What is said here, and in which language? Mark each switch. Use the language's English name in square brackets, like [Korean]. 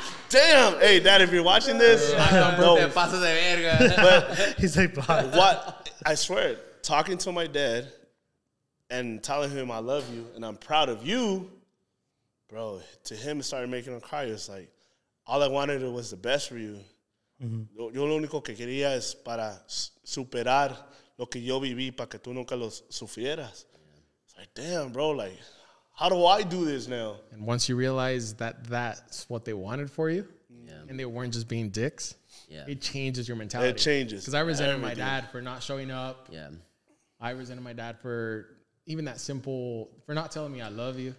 [English] Damn. Hey, dad, if you're watching this. No. But he's like, blind. What? I swear, talking to my dad and telling him I love you and I'm proud of you, bro, to him, it started making him cry. It's like, all I wanted was the best for you. [Spanish] Yo lo único que quería es para superar lo que yo viví para que tú nunca lo sufrieras. [English] It's like, damn, bro, like, how do I do this now? And once you realize that that's what they wanted for you, yeah, and they weren't just being dicks, yeah, it changes your mentality. It changes. Because I resented my dad for not showing up. Yeah. I resented my dad for even that simple, for not telling me I love you.